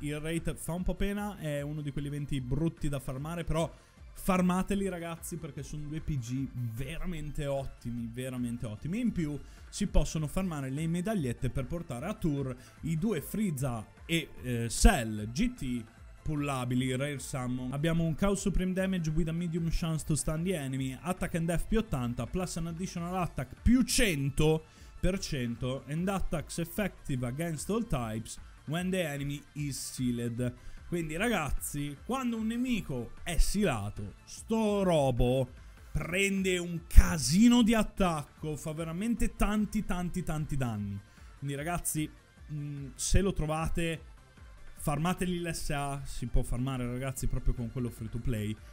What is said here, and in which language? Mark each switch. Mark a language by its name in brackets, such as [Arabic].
[Italian] Il rate fa un po' pena, è uno di quegli eventi brutti da farmare, però farmateli ragazzi, perché sono due PG veramente ottimi, veramente ottimi. In più si possono farmare le medagliette per portare a tour i due Frieza e Cell GT pullabili, Rare Summon. Abbiamo un [English] Chaos Supreme Damage with a medium chance to stun the enemy, Attack and Death più 80, plus an additional attack più 100%, and attacks effective against all types when the enemy is sealed. [Italian] Quindi ragazzi, quando un nemico è sealato, sto robo prende un casino di attacco, fa veramente tanti tanti tanti danni. Quindi ragazzi, se lo trovate, farmateli l'SA, si può farmare ragazzi proprio con quello free to play.